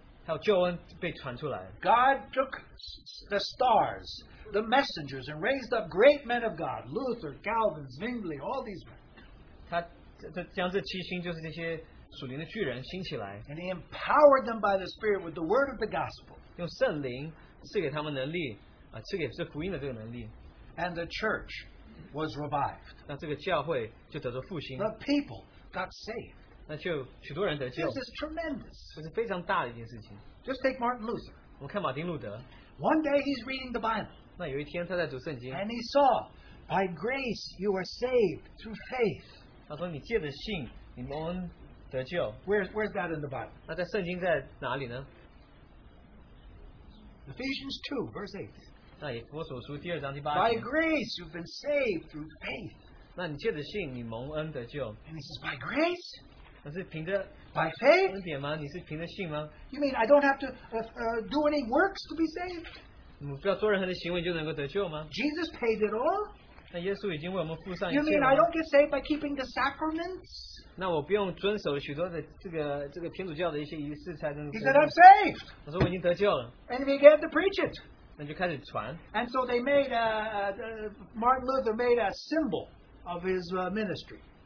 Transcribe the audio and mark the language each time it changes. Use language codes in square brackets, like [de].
[en] God took the stars, the messengers, and raised up great men of God, Luther, Calvin, Zwingli, all these men. [zh] 他将这七星就是这些 [en] And he empowered them by the Spirit with the word of the gospel. [zh] 用圣灵赐给他们能力，赐给这福音的这个能力。 [en] And the church was revived. [zh] 那这个教会就得到复兴。 [en] The people got saved. [zh] 那就许多人得救。 [en] This is tremendous. [zh] 这是非常大的一件事情。 [en] Just take Martin Luther. [zh] 我们看马丁路德。 [en] One day he's reading the Bible. [zh] 那有一天他在读圣经。 [en] And he saw, by grace you are saved through faith. [zh] 他说你借着信，你们。 [en] Where's that in the Bible? [zh] 那在圣经在哪里呢? [en] Ephesians 2, verse 8. [zh] 那以弗所书第二章第八节, [en] by grace you've been saved through faith. [zh] 那你借着信你蒙恩得救。 [en] And he says, by grace? [zh] 那是凭着, [en] by faith? [zh] 恩典吗?你是凭着信吗? [en] You mean I don't have to do any works to be saved? [zh] 不要做任何的行为就能够得救吗? [en] Jesus paid it all? [zh] 那耶稣已经为我们付上一切吗? [en] You mean I don't get saved by keeping the sacraments? [zh] 那我不用遵守许多的这个天主教的一些仪式才能。 [en] He said, I'm saved. [zh] 他说我已经得救了。 [en] And he began to preach it. [zh] 那就开始传。 [en] And so they made Martin Luther made a symbol of his ministry.